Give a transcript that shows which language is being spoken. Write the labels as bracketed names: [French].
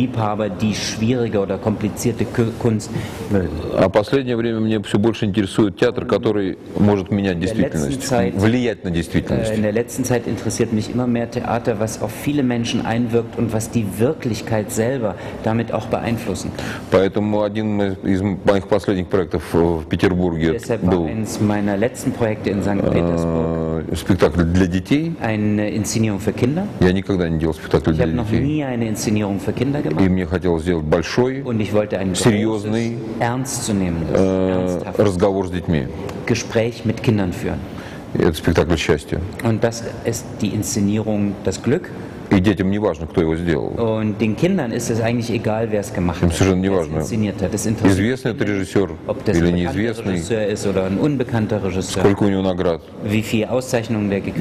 [Russian] А в последнее время мне все больше интересует театр, который может менять действительность, влиять на действительность. [German] Mich immer mehr Theater, was auf viele Menschen einwirkt und was die Wirklichkeit selber damit auch beeinflussen. [Russian] Поэтому один из моих последних проектов в Петербурге был. [German] Deshalb war eins meiner letzten Projekte in Sankt Petersburg. [Russian] Спектакль для детей. [German] Eine Inszenierung für Kinder. [Russian] Я никогда не делал спектакль для детей. [German] Ich habe noch nie eine Inszenierung für Kinder gemacht. [Russian] И мне хотелось сделать большой, [German] und ich wollte einen [Russian] серьезный, [German] ernstzunehmendes, [Russian] разговор с детьми. [German] Gespräch mit Kindern führen. [Russian] Это спектакль счастья. [German] Und das ist die Inszenierung, das Glück. [Russian] И детям не важно, кто его сделал. [German] Und den Kindern ist es eigentlich egal, wer es gemacht hat. [Russian] Им совершенно не важно. [German] Inszeniert hat. Das interessiert [Russian] известный это режиссер или неизвестный. Режиссер [German] ist oder ein unbekannter Regisseur. [Russian] Сколько у него наград. [German] Wie viele Auszeichnungen der gekriegt.